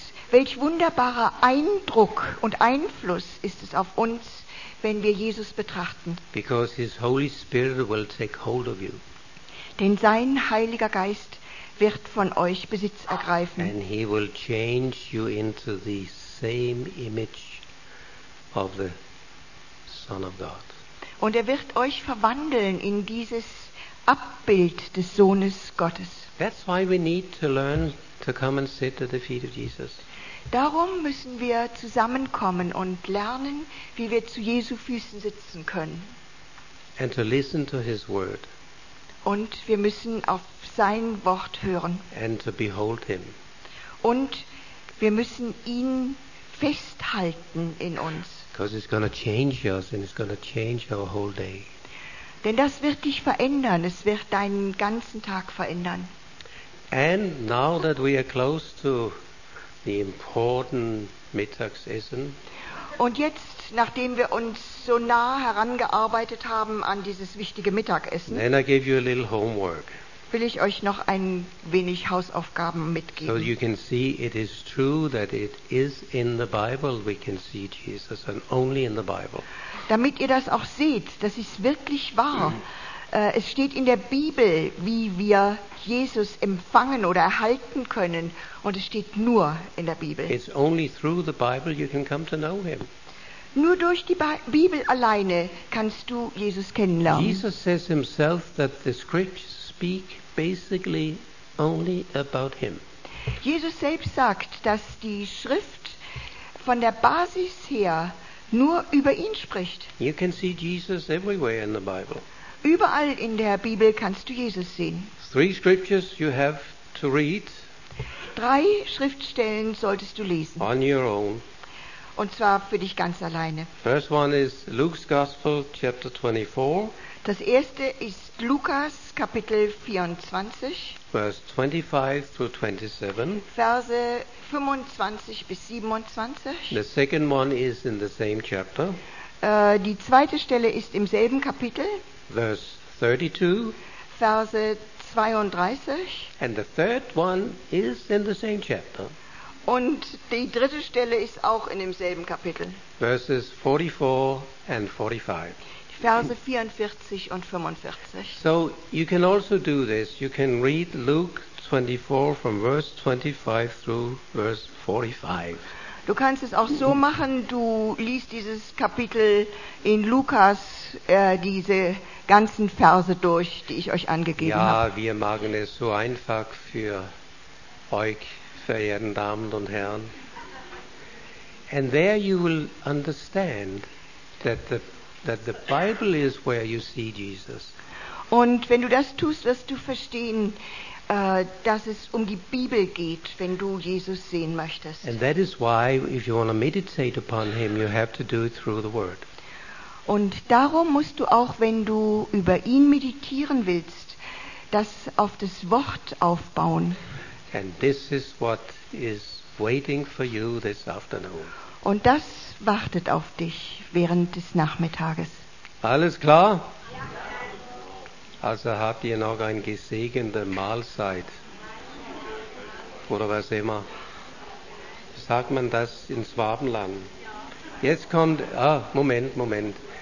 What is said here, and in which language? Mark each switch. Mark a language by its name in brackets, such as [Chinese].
[German] Welch wunderbarer Eindruck und Einfluss ist es auf uns, wenn wir Jesus betrachten. [English] Because his Holy Spirit will take hold of you. [German] Denn sein Heiliger Geist wird von euch Besitz ergreifen. [English] And he will change you into the same image of the Son of God. [German] Und wird euch verwandeln in dieses Abbild des Sohnes Gottes. [English] That's why we need to learn to come and sit at the feet of Jesus. [German] Darum müssen wir zusammenkommen und lernen, wie wir zu Jesu Füßen sitzen können. [English] And to listen to his word. [German] Und wir müssen auf sein Wort hören. [English] And to behold him. [German] Und wir müssen ihn festhalten in uns. [English] Because it's going to change us and it's going to change our whole day. [German] Denn das wird dich verändern. Es wird deinen ganzen Tag verändern. [English] And now that we are close to the important Mittagessen. [German] Und jetzt, nachdem wir uns so nah herangearbeitet haben an dieses wichtige Mittagessen, [English] then I give you a little homework. [German] Will ich euch noch ein wenig Hausaufgaben mitgeben. [English] So you can see it is true that it is in the Bible we can see Jesus and only in the Bible. [German] Damit ihr das auch seht, das ist wirklich wahr. Es steht in der Bibel, wie wir Jesus empfangen oder erhalten können, und es steht nur in der Bibel. [English] It's only through the Bible you can come to know him. [German] Nur durch die Bibel alleine kannst du Jesus kennenlernen. [English] Jesus says himself that the scriptures speak basically only about him. [German] Jesus selbst sagt, dass die Schrift von der Basis her nur über ihn spricht. [English] You can see Jesus everywhere in the Bible. [German] Überall in der Bibel kannst du Jesus sehen. [English] Three scriptures you have to read. [German] Drei Schriftstellen solltest du lesen. [English] On your own. [German] Und zwar für dich ganz alleine. [English] First one is Luke's Gospel, chapter 24. [German] Das erste ist Lukas, Kapitel 24. [English] Verse 25 through 27. [German] Verse 25 bis 27. [English] The second one is in the same chapter. [German] Die zweite Stelle ist im selben Kapitel. [English] Verse 32. [German] Verse 32. [English] And the third one is in the same chapter. [German] Und die dritte Stelle ist auch in demselben Kapitel. [English] Verses 44 and 45. [German] Verse 44 und 45. [English] So you can also do this. You can read Luke 24 from verse 25 through verse 45. [German] Du kannst es auch so machen, du liest dieses Kapitel in Lukas, diese ganzen Verse durch, die ich euch angegeben habe. hab. Wir machen es so einfach für euch, verehrten Damen und Herren. [English] And there you will understand that the Bible is where you see Jesus. [German] Und wenn du das tust, wirst du verstehen, dass es um die Bibel geht, wenn du Jesus sehen möchtest. [English] And that is why if you want to meditate upon him, you have to do it through the word. [German] Und darum musst du auch, wenn du über ihn meditieren willst, das auf das Wort aufbauen. [English] And this is what is waiting for you this afternoon. [German] Und das wartet auf dich während des Nachmittages. Alles klar? Also habt ihr noch eine gesegnete Mahlzeit? Oder was immer? Sagt man das in Schwabenland? Jetzt kommt, Moment.